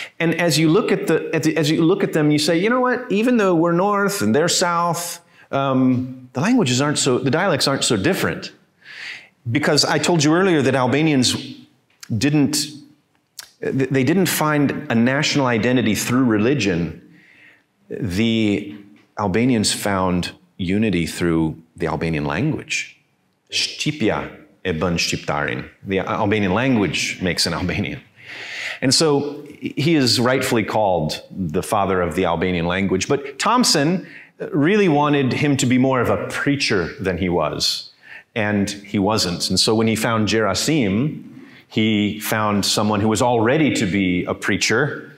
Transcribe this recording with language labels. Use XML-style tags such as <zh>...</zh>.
<en>And as you look at them, you say, you know what? Even though we're north and they're south, the dialects aren't so different. Because I told you earlier that Albanians didn't find a national identity through religion. The Albanians found unity through the Albanian language.</en> <sq>Shtipja e bën shqiptarin.</sq> <en>The Albanian language makes an Albanian. And so he is rightfully called the father of the Albanian language. But Thompson really wanted him to be more of a preacher than he was. And he wasn't. And so when he found Gerasim, he found someone who was already to be a preacher.</en>